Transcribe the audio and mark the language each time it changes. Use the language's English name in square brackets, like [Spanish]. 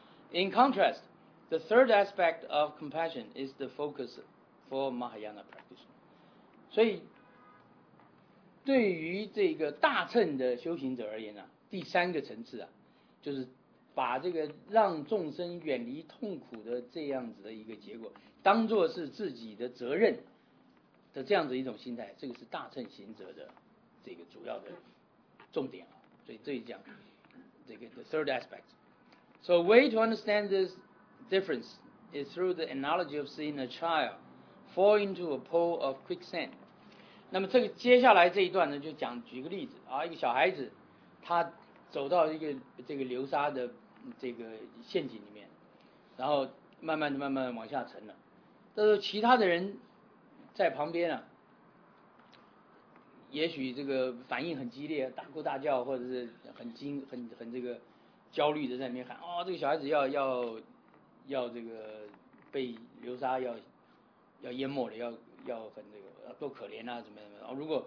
[English] In contrast， the third aspect of compassion is the focus for Mahayana practice。 [Chinese] 所以，对于这个大乘的修行者而言呢，第三个层次啊，就是把这个让众生远离痛苦的这样子的一个结果，当作是自己的责任的这样子一种心态，这个是大乘行者的这个主要的重点啊。所以这里讲这个 [English] the third aspect。 So way to understand this difference is through the analogy of seeing a child fall into a pool of quicksand。 [Chinese] 那么这个接下来这一段呢，就讲举个例子啊，一个小孩子他走到一个这个流沙的这个陷阱里面，然后慢慢的慢慢往下沉了。但是其他的人在旁边啊，也许这个反应很激烈，大哭大叫，或者是很这个焦虑的在那边喊，哦，这个小孩子要这个被流沙要淹没了，要很这个多可怜啊，怎么样的。